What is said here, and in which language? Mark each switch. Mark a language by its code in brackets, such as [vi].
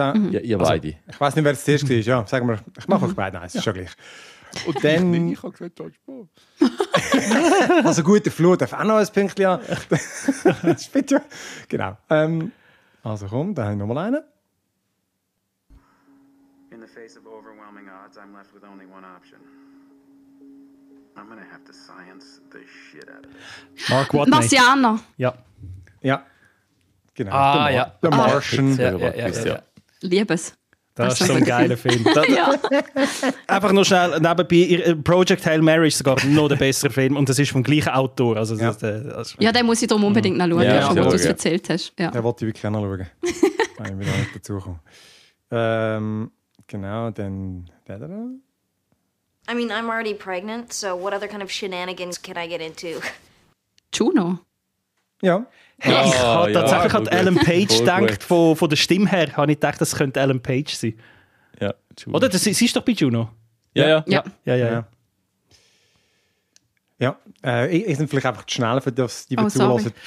[de] auch. Ja, ihr beide. Also, ich weiss nicht, wer es zuerst war. Ja, sagen wir, ich mache euch beide. Nein, es ist schon gleich. Und dann. Ich habe gesagt, Dodgeball. Also gut, der Flo darf auch noch ein Pünktchen an. Das ist bitte. Genau. Also komm, dann haben wir nochmal einen. [en] In the face of overwhelming odds, I'm left with only one option. I'm gonna have to science the shit out of it. [de] Mark Watney. Marciano. Ja. Ja. Genau. Ah, The Martian. Liebes. Das ist so ein geiler Film. Ja. Einfach nur schnell nebenbei, Project Hail Mary ist sogar noch der bessere Film und das ist vom gleichen Autor. Also ja. Also den muss ich darum unbedingt noch schauen, schon was du es erzählt hast. Ja. Den wollte ich wirklich auch noch schauen. Wenn ich mir da nicht dazukomme. Genau, dann der. [en] I mean, I'm already pregnant, so what other kind of shenanigans can I get into? [de] Juno? Ja. Hey, ich habe tatsächlich an Ellen Page gedacht, von der Stimme her. Habe ich gedacht, das könnte Ellen Page sein. Ja, Juno. Oder sie ist doch bei Juno. Ja. Ich bin vielleicht einfach zu schnell, für das, die wir zuhören.